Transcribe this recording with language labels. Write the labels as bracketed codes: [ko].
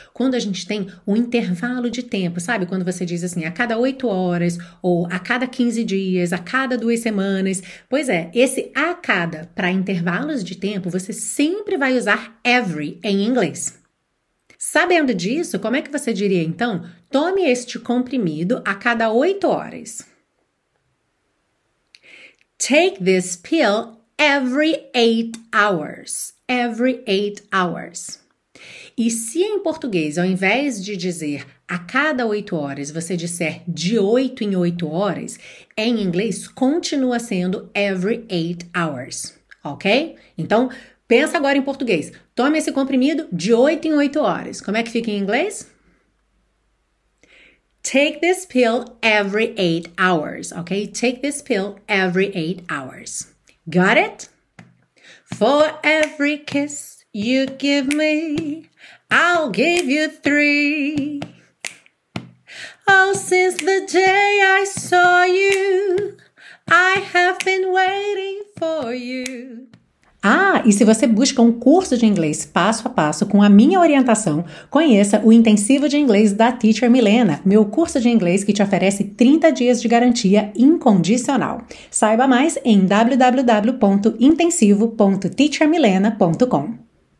[pt] Quando a gente tem um intervalo de tempo, sabe? Quando você diz assim, a cada 8 horas, ou a cada 15 dias, a cada 2 semanas. Pois é, esse a cada para intervalos de tempo, você sempre vai usar every em inglês. Sabendo disso, como é que você diria, então, tome este comprimido a cada 8 horas? [en] Take this pill every 8 hours. Every 8 hours. [pt] E se em português, ao invés de dizer a cada 8 horas, você disser de 8 em 8 horas, em inglês continua sendo [en] every 8 hours. [pt] Ok? Então, pensa agora em português. Tome esse comprimido de 8 em 8 horas. Como é que fica em inglês? [en] Take this pill every 8 hours, ok? Take this pill every 8 hours. Got it? For every kiss you give me, I'll give you 3. Oh, since the day I saw you, I have been waiting for you. [pt] Ah, e se você busca um curso de inglês passo a passo com a minha orientação, conheça o Intensivo de Inglês da Teacher Milena, meu curso de inglês que te oferece 30 dias de garantia incondicional. Saiba mais em www.intensivo.teachermilena.com.